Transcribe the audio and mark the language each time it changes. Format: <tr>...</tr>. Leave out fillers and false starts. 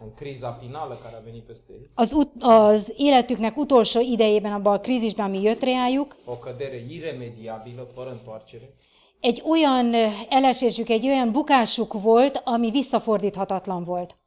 <ro>Criza finală care a venit peste ei.</ro> <hu>Az életüknek utolsó idejében, abban a krízisben, ami jött rájuk.</hu> <ro>O cădere iremediabilă, fără întoarcere.</ro> <hu>Egy olyan elesésük, egy olyan bukásuk volt, ami visszafordíthatatlan volt.</hu>